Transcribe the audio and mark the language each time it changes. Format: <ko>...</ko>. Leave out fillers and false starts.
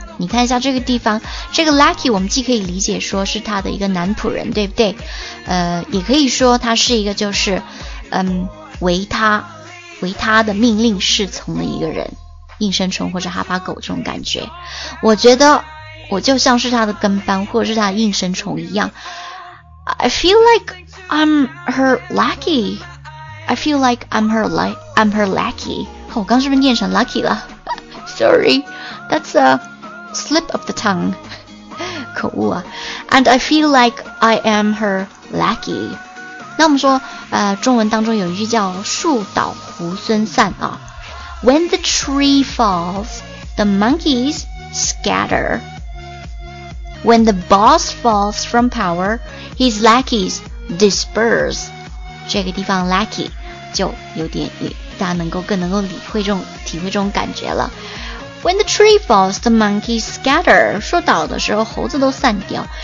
<zh>你看一下这个地方，这个 lackey 我们既可以理解说是他的一个男仆人，对不对？也可以说他是一个就是为他的命令侍从的一个人，应声虫或者哈巴狗这种感觉。我觉得我就像是他的跟班或者是他的应声虫一样。</zh> <en>I feel like I'm her lucky， I feel like I'm her lucky、</en> <zh>哦、我刚是不是念成 lucky 了？</zh> <en>Sorry， That's a slip of the tongue.</en> <zh>可恶啊。</zh> <en>And I feel like I am her lackey.</en> <zh>那我们说、中文当中有一句叫树倒猢狲散啊。</zh> <en>When the tree falls, the monkeys scatter. When the boss falls from power, his lackeys disperse.</en> <zh>这个地方 lackey 就有点语，大家更能够理会这种体会这种感觉了。</zh> <en>When the tree falls, the monkeys scatter.</en> <zh>树倒的时候，猴子都散掉。</zh>